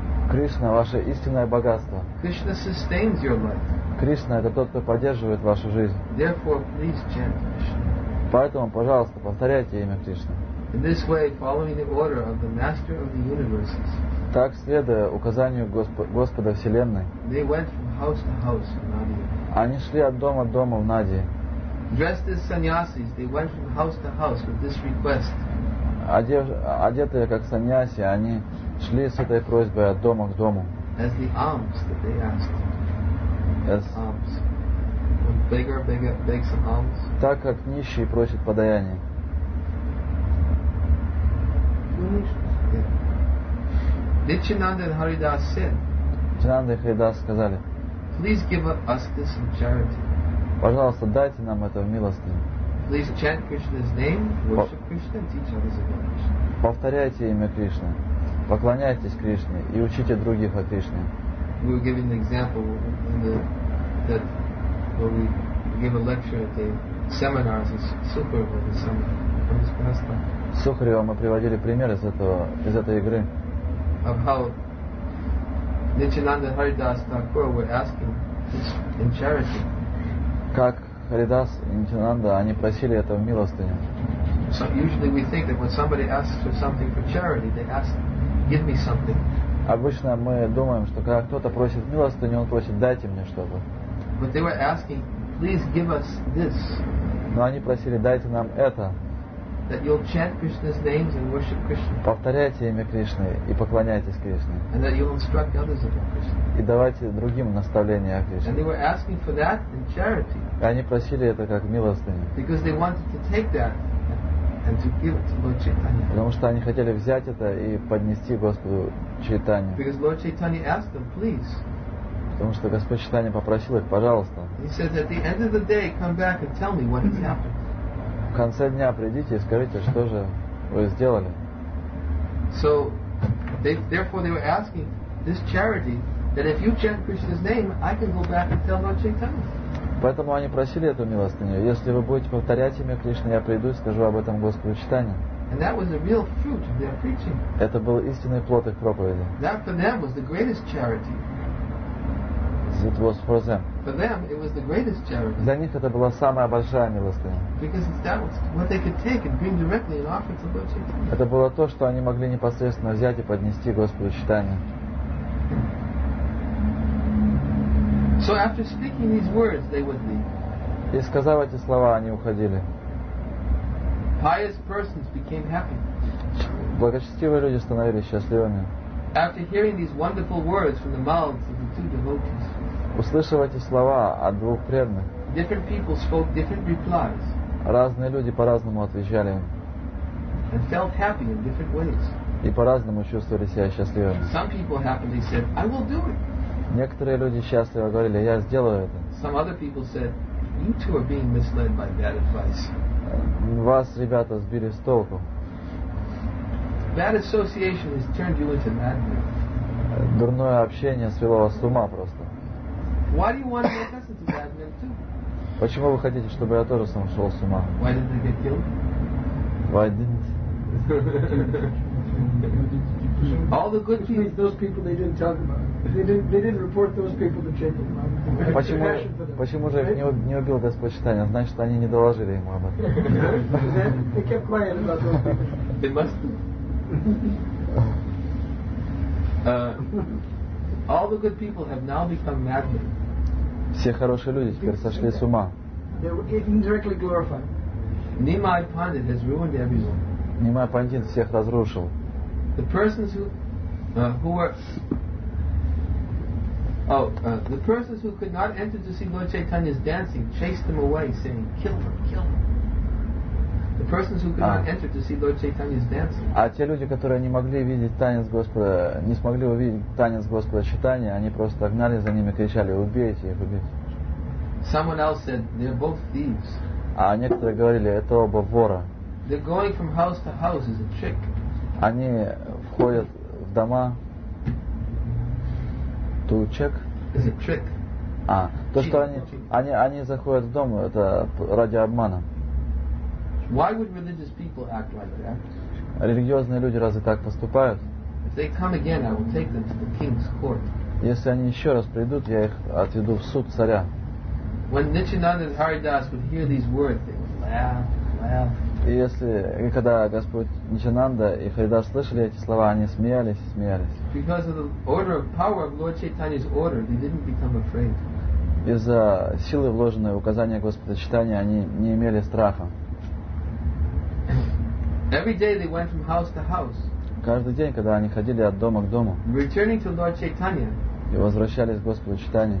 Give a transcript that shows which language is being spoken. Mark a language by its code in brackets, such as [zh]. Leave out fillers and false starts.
[ru] Кришна ваше истинное богатство. [en] Krishna sustains your life. [ru] Кришна это тот, кто поддерживает вашу жизнь. [en] Therefore, please chant Krishna. [ru] Поэтому, пожалуйста, повторяйте имя Кришны. [en] In this way, following the order of the Master of the Universes. [ru] Так, следуя указанию Господа Вселенной, [en] they went from house to house in Nadi. [ru] Они шли от дома к дому в Нади. [en] Dressed as sannyasis, they went from house to house with this request. [ru] Одетые как саньяси, они шли с этой просьбой от дома к дому. [en] As the alms that they asked. As alms. When beggar begs alms. [ru] Так как нищий просит подаяние. [en] Nityananda and Haridas said. [ru] Nityananda и Харидас сказали. [en] Please give us this in charity. [ru] Пожалуйста, дайте нам это в милостыню. [en] Please chant Krishna's name, worship Krishna, and teach others about Krishna. [ru] Повторяйте имя Кришны, поклоняйтесь Кришне и учите других о Кришне. [en] We were giving an example in where we gave a lecture at the seminars, a super of the seminar from this pastime. [ru] Сухарева мы приводили пример из этой игры. [en] Of how Nityananda Haridas Thakur were asking in charity. [ru] Как Харидас и Нитянанда, они просили это в милостыню. [en] So usually we think that when somebody asks for something for charity, they ask, give me something. [ru] Обычно мы думаем, что когда кто-то просит милостыню, он просит, дайте мне что-то. [en] But they were asking, please give us this. [ru] Но они просили, дайте нам это. [en] That you'll chant Krishna's names and worship Krishna. [ru] Повторяйте имя Кришны и поклоняйтесь Кришне. [en] And that you'll instruct others about Krishna. [ru] И давайте другим наставления о Кришне. [en] And they were asking for that in charity. [ru] И они просили это как милостыню. [en] Because they wanted to take that and to give it to Lord Chaitanya. [ru] Потому что они хотели взять это и поднести Господу Чайтанье. [en] Because Lord Chaitanya asked them, please. [ru] Потому что Господь Чайтанья попросил их, пожалуйста. [en] He said, at the end of the day, come back and tell me what has happened. [ru] В конце дня придите и скажите, что же вы сделали. [en] So, therefore they were asking this charity that if you chant Krishna's name, I can go back and tell Lord Chaitanya. [ru] Поэтому они просили эту милостыню. Если вы будете повторять имя Кришны, я приду и скажу об этом Господу Чайтанье. [en] And that was the real fruit of their preaching. [ru] Это был истинный плод их проповеди. [en] That for them was the greatest charity. It was for them. For them, it was the greatest charity. [ru] Для них это была самая большая милостыня. [en] Because that was what they could take and bring directly and offer to Lord Chaitanya. [ru] Это было то, что они могли непосредственно взять и поднести Господу Чайтанье. [en] So after speaking these words, they would leave. [ru] И сказав эти слова, они уходили. [en] Pious persons became happy. [ru] Благочестивые люди становились счастливыми. [en] After hearing these wonderful words from the mouths of the two devotees. [ru] Услышав эти слова от двух преданных, [en] different people spoke different replies. [ru] Разные люди по-разному отвечали им. [en] And felt happy in different ways. [ru] И по-разному чувствовали себя счастливыми. [en] Some people happily said, I will do it. [ru] Некоторые люди счастливо говорили, я сделаю это. [en] Some other people said, you two are being misled by bad advice. [ru] Вас, ребята, сбили с толку. [en] Bad association has turned you into madmen. [ru] Дурное общение свело вас с ума просто. [en] Why do you want to make us into bad men too? [ru] Почему вы хотите, чтобы я тоже сам шел с ума? [en] Why didn't I get killed? Why didn't? All the good people, those people they didn't talk about. They didn't report those people to Chaitanya. [ru] Почему же их не убил Господь Чайтанья? Значит, они не доложили ему об этом. [en] They kept quiet about those people. They must have. All the good people have now become madmen. [ru] Все хорошие люди теперь сошли с ума. [en] Indirectly glorified. Nimai Pandit has ruined everyone. [ru] Nimai Pandit всех разрушил. [en] The persons who who were the persons who could not enter to see Lord Chaitanya's dancing chased them away, saying, "Kill them, kill them." The persons who could not enter to see Lord Chaitanya's dancing. [ru] А те люди, которые не могли видеть танец Господа, не смогли увидеть танец Господа Чайтани, они просто гнали за ними, кричали: "Убейте их, убейте!" [en] Someone else said, "They're both thieves." [ru] А некоторые говорили: "Это оба вора." [en] They're going from house to house is a trick. [ru] Они входят в дома. [en] To check. Is a trick. [ru] А то, что они заходят в дом, это ради обмана. [en] Why would religious people act like that? [ru] Религиозные люди разве так поступают? [en] If they come again, I will take them to the king's court. [ru] Если они еще раз придут, я их отведу в суд царя. [en] When Nityananda and Haridas would hear these words, they would laugh. [ru] И если когда Господь Нитянанда и Харидас слышали эти слова, они смеялись. [en] Because of the order of power of Lord Chaitanya's order, they didn't become afraid. [ru] Из-за силы вложенной указания Господа Чайтаньи, они не имели страха. [en] Every day they went from house to house. [ru] Каждый день, когда они ходили от дома к дому. [en] Returning to Lord Chaitanya. [ru] И возвращались к Господу Чайтаньи.